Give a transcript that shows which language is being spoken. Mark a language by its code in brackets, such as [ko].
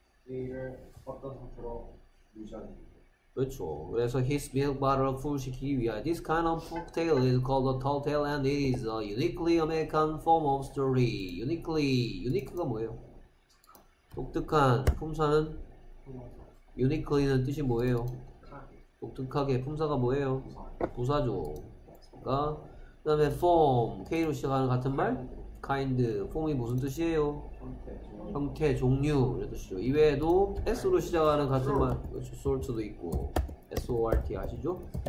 [ko] A를 어떤 상태로 유지하는지. 그렇죠. 그래서 [en] his milk bottle full [ko] 시키기 위하여. [en] This kind of folktale is called a tall tale and it is a uniquely American form of story. [ko] uniquely. unique가 뭐예요? 독특한. 품사는? 유니클리는 뜻이 뭐예요? 독특하게. 품사가 뭐예요? 부사죠. 그러니까 그 다음에 form, K로 시작하는 같은 말, kind, form이 무슨 뜻이에요? 형태, 종류 이런 뜻이죠. 이외에도 S로 시작하는 같은 말, sort도 있고, sort 아시죠?